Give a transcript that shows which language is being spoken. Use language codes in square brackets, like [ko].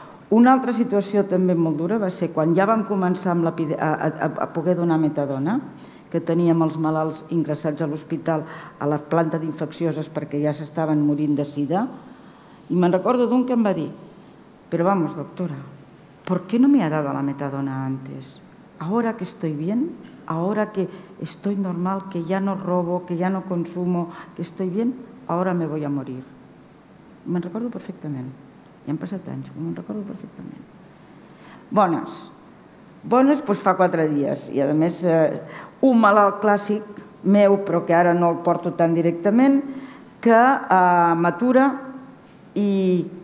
[ca] Una altra situació també molt dura va ser quan ja vam començar amb a poder donar metadona, que teníem els malalts ingressats a l'hospital a la planta d'infeccioses perquè ja s'estaven morint de sida, i me'n recordo d'un que em va dir: [es] "Pero vamos, doctora, ¿por qué no me ha dado la metadona antes? Ahora que estoy bien... Ahora que estoy normal, que ya no robo, que ya no consumo, que estoy bien, ahora me voy a morir." [ca] Me'n recordo perfectament. Ja han passat anys, me'n recordo perfectament. Bones. Bones, doncs fa 4 dies. I a més, un malalt clàssic meu, però que ara no el porto tan directament, que m'atura i...